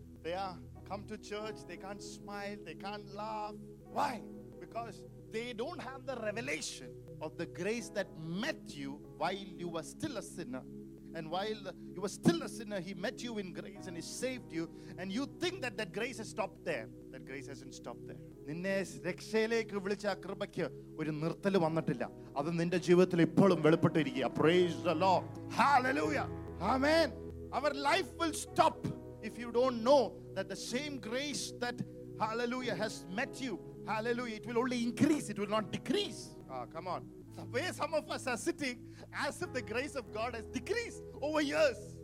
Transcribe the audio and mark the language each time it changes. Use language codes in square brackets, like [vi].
[en] They are come to church, they can't smile, they can't laugh. Why? Because they don't have the revelation of the grace that met you while you were still a sinner. And while you were still a sinner, he met you in grace and he saved you. And you think that that grace has stopped there. That grace hasn't stopped there. [ml] നിന്നെ രക്ഷയിലേക്ക് വിളിച്ച കൃപയ്ക്ക് ഒരു നിർത്തൽ വന്നിട്ടില്ല. അത് നിന്റെ ജീവിതത്തിൽ ഇപ്പോഴും വെളിപ്പെട്ടിരിക്കുക. [en] Praise the Lord. Hallelujah. Amen. Our life will stop if you don't know that the same grace that, hallelujah, has met you. Hallelujah. It will only increase. It will not decrease. Come on. The way some of us are sitting, as if the grace of God has decreased over years.